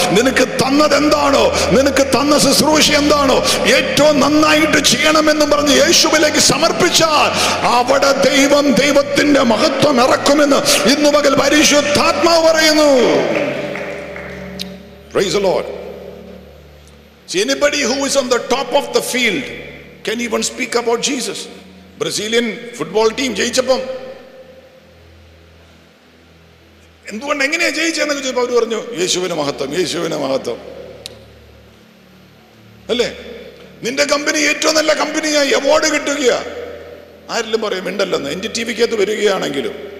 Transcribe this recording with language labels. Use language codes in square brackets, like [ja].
[ml] നിനക്ക് തന്നത് എന്താണോ, നിനക്ക് തന്ന എന്താണോ ഏറ്റവും നന്നായിട്ട് ചെയ്യണമെന്നും പറഞ്ഞ് യേശുവിലേക്ക് സമർപ്പിച്ചാൽ അവിടെ ദൈവം ദൈവത്തിന്റെ മഹത്വം ഇറക്കുമെന്ന് ഇന്നു മകൾ പരിശുദ്ധാത്മാവ് പറയുന്നു. [en] Praise the lord. Anybody who is on the top of the field, can even speak about Jesus? [ml] Brazilian football team ജയിച്ചപ്പം എന്തുകൊണ്ട് എങ്ങനെയാ ജയിച്ചെന്നൊക്കെ ചോദിച്ചപ്പോ അവർ പറഞ്ഞു, യേശുവിന്റെ മഹത്വം, യേശുവിന്റെ മഹത്വം. അല്ലേ, നിന്റെ കമ്പനി ഏറ്റവും നല്ല കമ്പനിയായി അവാർഡ് കിട്ടുക, ആരെല്ലാം പറയും ഉണ്ടല്ലോ എന്ന്, എൻ്റെ ടി വിക്ക് അകത്ത് വരികയാണെങ്കിലും.